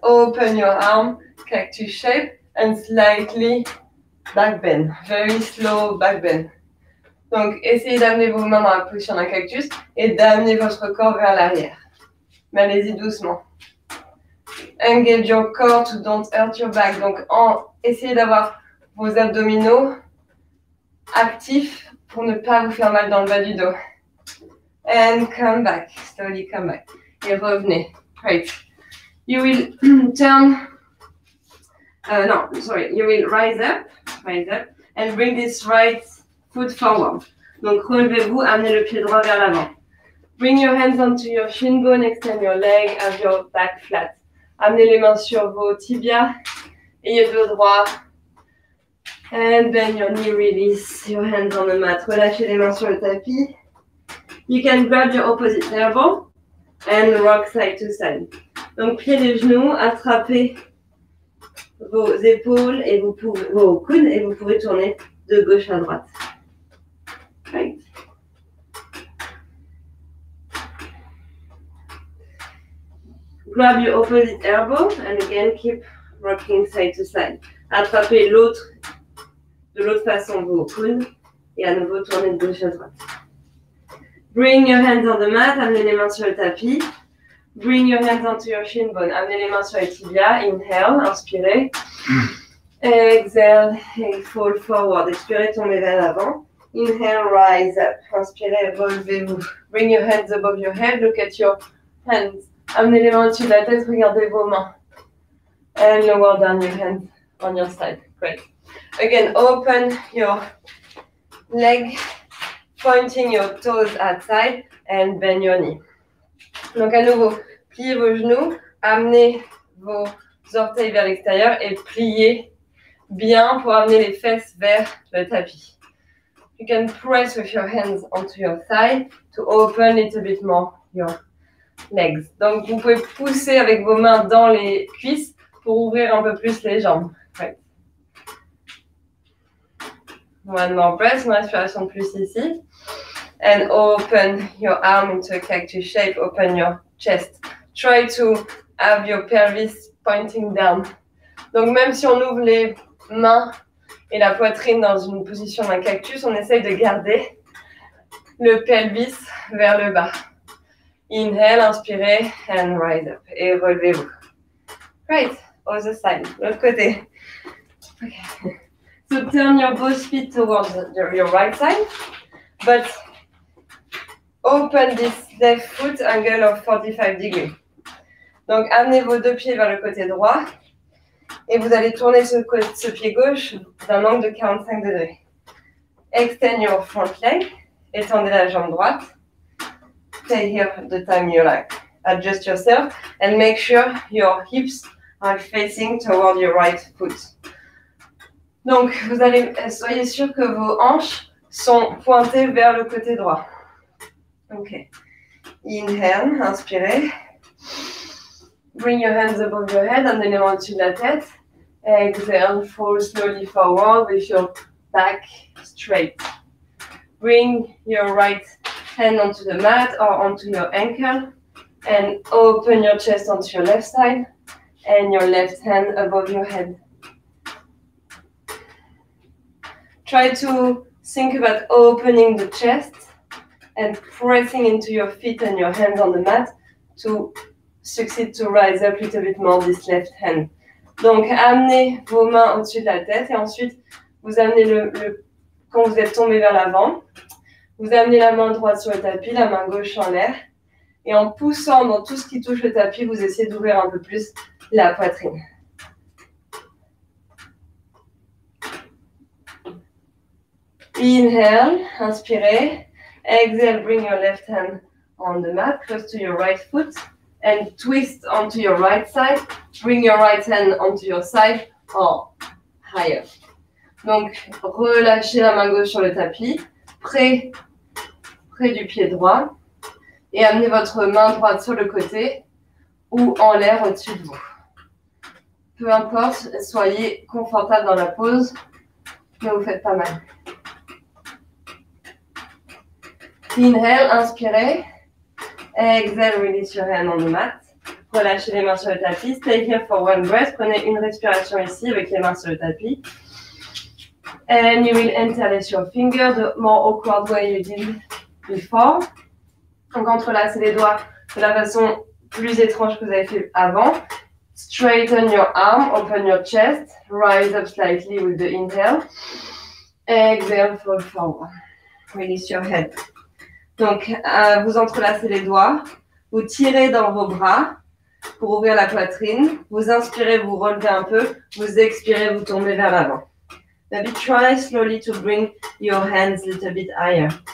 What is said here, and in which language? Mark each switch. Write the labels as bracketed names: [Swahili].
[English] Open your arm, cactus shape, and slightly back bend. Very slow back bend. [French] Donc, essayez d'amener vos mains dans la position d'un cactus et d'amener votre corps vers l'arrière. Mais allez-y doucement. [English] Engage your core to don't hurt your back. [French] Donc, essayez d'avoir vos abdominaux actifs pour ne pas vous faire mal dans le bas du dos. [English] And come back, slowly come back. [French] Et revenez. [English] Great. You will turn, you will rise up, and bring this right foot forward. [French] Donc, relevez-vous, amenez le pied droit vers l'avant. [English] Bring your hands onto your shin bone, extend your leg, have your back flat. [French] Amenez les mains sur vos tibias, ayez le droit. [English] And bend your knee, release your hands on the mat. [French] Relâchez les mains sur le tapis. [English] You can grab your opposite elbow and rock side to side. [French] Donc, pliez les genoux, attrapez vos épaules et vos coudes et vous pouvez tourner de gauche à droite. [English] Right. Grab your opposite elbow and again keep rocking side to side. [French] Attrapez l'autre. De l'autre façon, vos coudes et à nouveau tournez de gauche à droite. [English] Bring your hands on the mat, [French] amenez les mains sur le tapis. [English] Bring your hands onto your shin bone, [French] amenez les mains sur les tibias. [English] Inhale, [French] inspirez. [English] Exhale, and fall forward. [French] Expirez, tombez vers l'avant. [English] Inhale, rise up. [French] Inspirez, relevez-vous. [English] Bring your hands above your head, look at your hands. [French] Amenez les mains au-dessus de la tête, regardez vos mains. [English] And lower down your hands on your side. Great. Again, open your leg, pointing your toes outside and bend your knee. [French] Donc à nouveau, pliez vos genoux, amenez vos orteils vers l'extérieur et pliez bien pour amener les fesses vers le tapis. [English] You can press with your hands onto your thigh to open a little bit more your legs. [French] Donc vous pouvez pousser avec vos mains dans les cuisses pour ouvrir un peu plus les jambes. [English] Right. One more breath, [French] une respiration de plus ici. [English] And open your arm into a cactus shape, open your chest. Try to have your pelvis pointing down. [French] Donc même si on ouvre les mains et la poitrine dans une position d'un cactus, on essaye de garder le pelvis vers le bas. [English] Inhale, [French] inspirez, [English] and rise up. [French] Et relevez-vous. [English] Great. Other side, [French] l'autre côté. [English] Okay. So turn your both feet towards your right side, but open this left foot angle of 45 degrees. [French] Donc amenez vos deux pieds vers le côté droit et vous allez tourner ce pied gauche d'un angle de 45 degrés. [English] Extend your front leg, [French] étendez la jambe droite. [English] Stay here the time you like. Adjust yourself and make sure your hips are facing toward your right foot. [French] Donc, vous allez, soyez sûr que vos hanches sont pointées vers le côté droit. [English] Ok. Inhale, [French] inspirez. [English] Bring your hands above your head, [French] amenez les mains au-dessus de la tête. [English] Exhale, fall slowly forward with your back straight. Bring your right hand onto the mat or onto your ankle and open your chest onto your left side. And your left hand above your head. Try to think about opening the chest and pressing into your feet and your hands on the mat to succeed to rise up a little bit more this left hand. [French] Donc, amenez vos mains au-dessus de la tête et ensuite, vous amenez quand vous êtes tombé vers l'avant, vous amenez la main droite sur le tapis, la main gauche en l'air et en poussant dans tout ce qui touche le tapis, vous essayez d'ouvrir un peu plus la poitrine. [English] Inhale, [French] inspirez. [English] Exhale, bring your left hand on the mat, close to your right foot, and twist onto your right side. Bring your right hand onto your side, or higher. [French] Donc, relâchez la main gauche sur le tapis, près du pied droit, et amenez votre main droite sur le côté ou en l'air au-dessus de vous. Peu importe, soyez confortable dans la pose, mais vous faites pas mal. [English] Inhale, [French] inspirez. [English] Exhale, release your hand on the mat. [French] Relâchez les mains sur le tapis. [English] Stay here for one breath. [French] Prenez une respiration ici avec les mains sur le tapis. [English] And you will interlace your fingers the more awkward way you did before. [French] Donc, entrelacez les doigts de la façon plus étrange que vous avez fait avant. [English] Straighten your arm, open your chest, rise up slightly with the inhale. Exhale, fold forward. Release your head. [French] Donc, vous entrelacez les doigts, vous tirez dans vos bras pour ouvrir la poitrine, vous inspirez, vous relevez un peu, vous expirez, vous tournez vers l'avant. [English] Maybe try slowly to bring your hands a little bit higher.